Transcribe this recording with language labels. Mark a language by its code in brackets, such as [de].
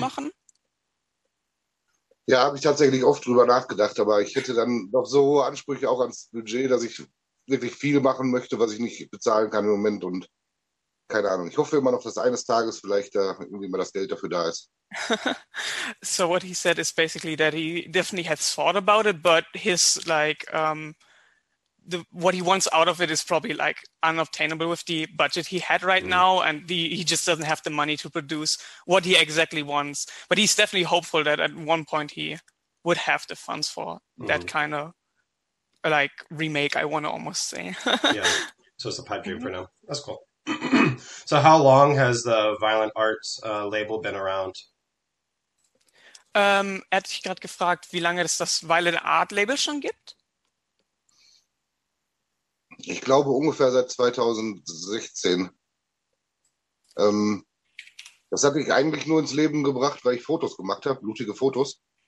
[de] machen? Ja, habe ich tatsächlich oft drüber nachgedacht, aber ich hätte dann doch so hohe Ansprüche auch ans Budget, dass ich wirklich viel machen möchte, was ich nicht bezahlen kann im Moment und keine Ahnung. Ich hoffe immer noch, dass eines Tages vielleicht da irgendwie mal das Geld dafür da ist. [en] So what he said is basically that he definitely has thought about it, but his like the what he wants out of it is probably like unobtainable with the budget he had right now, and he just doesn't have the money to produce what he exactly wants. But he's definitely hopeful that at one point he would have the funds for that kind of like remake, I want to almost say. Yeah, so it's a pipe dream for now. That's cool. So, how long has the Violent Arts label been around? [de] Er hat sich gerade gefragt, wie lange es das Violent Art Label schon gibt. Ich glaube ungefähr seit 2016. Das habe ich eigentlich nur ins Leben gebracht, weil ich Fotos gemacht habe, blutige Fotos.